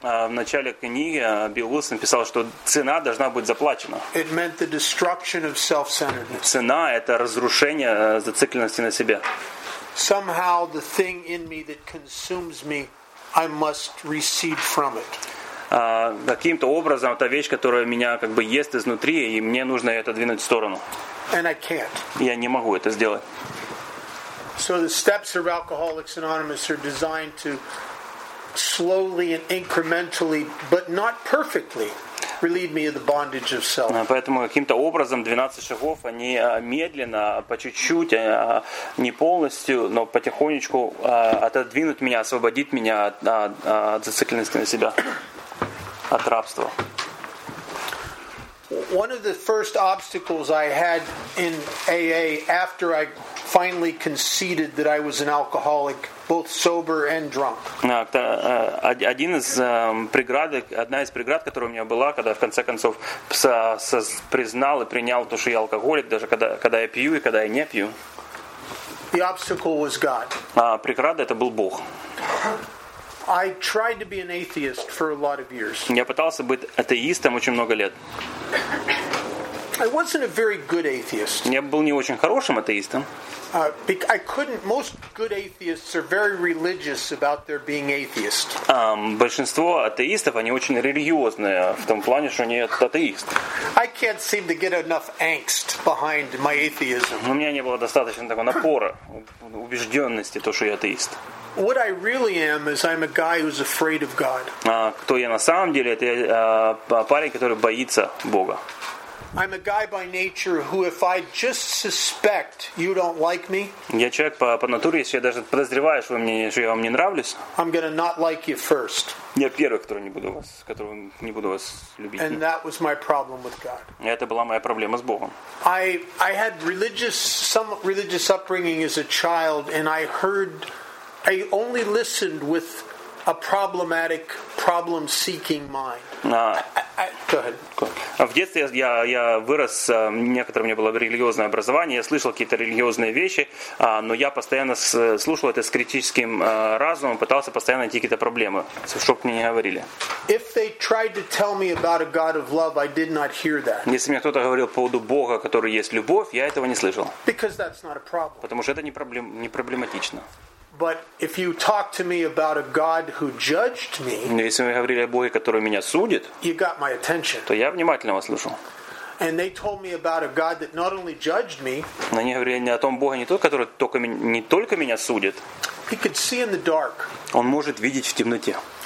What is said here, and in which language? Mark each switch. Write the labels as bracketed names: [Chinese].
[Russian] В начале книги Билл Уилсон писал, что цена должна быть заплачена. [English] It meant the destruction of self-centeredness. [Russian] Цена – это разрушение зацикленности на себе. [English] Somehow the thing in me that consumes me, I must recede from it. [Russian] Каким-то образом та вещь, которая меня как бы ест изнутри, и мне нужно это двинуть в сторону. [English] And I can't. [Russian] Я не могу это сделать. [English] So the steps of Alcoholics Anonymous are designed to slowly and incrementally, but not perfectly, relieve me of the bondage of self. [Russian] Поэтому каким-то образом 12 шагов они медленно, по чуть-чуть, не полностью, но потихонечку отодвинуть меня, освободить меня от зацикленности на себя, от рабства. [English] One of the first obstacles I had in AA after I finally conceded that I was an alcoholic, both sober and drunk. [Russian] Одна из преград, которая у меня была, когда в конце концов признал и принял то, что я алкоголик, даже когда я пью и когда я не пью. [English] The obstacle was God. [Russian] Преграда это был Бог. [English] I tried to be an atheist for a lot of years. [Russian] Я пытался быть атеистом очень много лет. [English] I wasn't a very good atheist. [Russian] Я был не очень хорошим атеистом. [English] I couldn't. Most good atheists are very religious about their being atheist. [Russian] Большинство атеистов они очень религиозные в том плане, что они атеист. [English] I can't seem to get enough angst behind my atheism. [Russian] У меня не было достаточно такого напора, убежденности то, что я атеист. [English] What I really am is I'm a guy who's afraid of God. [Russian] Кто я на самом деле? Это парень, который боится Бога. [English] I'm a guy by nature who, if I just suspect you don't like me, [Russian] я человек по натуре, если я даже подозреваю, что вы мне, что я вам не нравлюсь, [English] I'm gonna not like you first. [Russian] Я первый, которого не буду вас любить. [English] And that was my problem with God. [Russian] Это была моя проблема с Богом. [English] I had some religious upbringing as a child, and I heard, I only listened with a problematic, problem-seeking mind. [Russian] В детстве я вырос, некоторое у меня было религиозное образование, я слышал какие-то религиозные вещи, но я постоянно слушал это с критическим разумом, пытался постоянно найти какие-то проблемы, что бы мне не говорили. Если мне кто-то говорил по поводу Бога, который есть любовь, я этого не слышал. Потому что это не проблематично. [English] But if you talk to me about a God who judged me, [Russian] но если вы говорили о Боге, который меня судит, [English] you got my attention. [Russian] То я внимательно вас слушал. [English] And they told me about a God that not only judged me. [Russian] Они говорили о том Боге, не только меня судит. [English] He could see in the dark. [Russian] Он может видеть в темноте.